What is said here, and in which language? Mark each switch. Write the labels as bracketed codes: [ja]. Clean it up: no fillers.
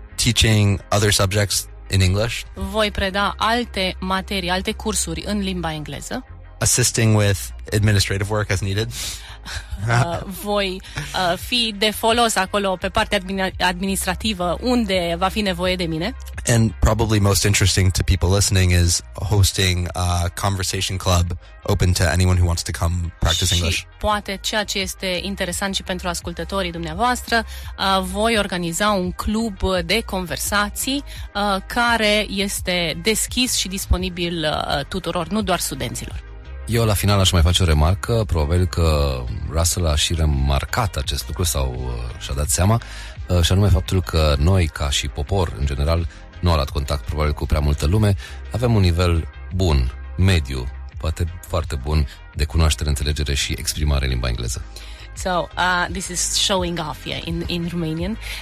[en] Teaching other subjects in English. [ro] Voi preda alte materii, alte cursuri în limba engleză. [en] Assisting with administrative work as needed. [ro] Voi fi de folos acolo pe partea administrativă unde va fi nevoie de mine. [en] And probably most interesting to people listening is hosting a conversation club open to anyone who wants to come practice English. [ro] Și poate ceea ce este interesant și pentru ascultătorii dumneavoastră, voi organiza un club de conversații care este deschis și disponibil tuturor, nu doar studenților. Eu la final aș mai face o remarcă, probabil că Russell a și remarcat acest lucru sau și-a dat seama, și anume faptul că noi, ca și popor în general, nu am luat contact probabil cu prea multă lume, avem un nivel bun, mediu, poate foarte bun, de cunoaștere, înțelegere și exprimare în limba engleză. [en] So, this is showing off, yeah, in Romanian.